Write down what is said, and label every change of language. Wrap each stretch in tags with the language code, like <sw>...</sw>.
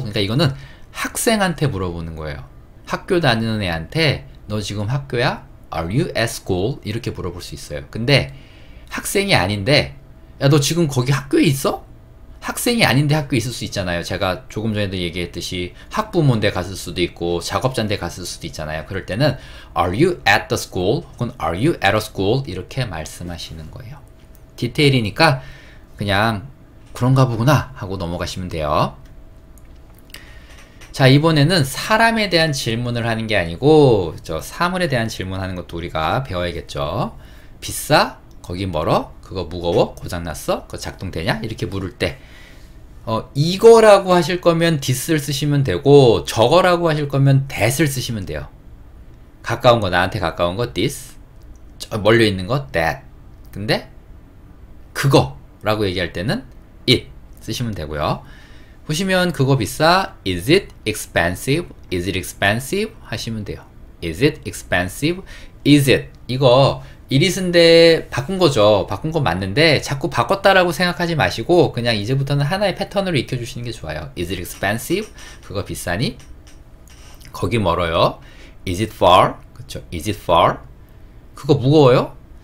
<ko>그러니까 이거는 학생한테 물어보는 거예요. 학교 다니는 애한테 너 지금 학교야?</ko> <en>Are you at school?</en> <ko>이렇게 물어볼 수 있어요. 근데 학생이 아닌데 야, 너 지금 거기 학교에 있어? 학생이 아닌데 학교에 있을 수 있잖아요. 제가 조금 전에도 얘기했듯이 학부모인데 갔을 수도 있고 작업자인데 갔을 수도 있잖아요. 그럴 때는</ko> <en>Are you at the school? 혹은 Are you at a school?</en> <ko>이렇게 말씀하시는 거예요. 디테일이니까 그냥 그런가 보구나 하고 넘어가시면 돼요. 자, 이번에는 사람에 대한 질문을 하는 게 아니고 저 사물에 대한 질문하는 것도 우리가 배워야겠죠. 비싸? 거기 멀어? 그거 무거워? 고장 났어? 그거 작동되냐? 이렇게 물을 때 이거라고 하실 거면 this을 쓰시면 되고 저거라고 하실 거면 that을 쓰시면 돼요. 가까운 거 나한테 가까운 거 this, 저 멀려 있는 거 that. 근데 그거라고 얘기할 때는 it 쓰시면 되고요. 보시면 그거 비싸?</ko> <en>Is it expensive? Is it expensive?</en> <ko>하시면 돼요.</ko> <en>Is it expensive? Is it?</en> <ko>이거 it is인데 바꾼 거죠. 바꾼 거 맞는데 자꾸 바꿨다라고 생각하지 마시고 그냥 이제부터는 하나의 패턴으로 익혀 주시는 게 좋아요.</ko> <en>Is it expensive?</en> <ko>그거 비싸니? 거기 멀어요.</ko> <en>Is it far?</en> <ko>그렇죠.</ko> <en>Is it far?</en> <ko>그거 무거워요?</ko>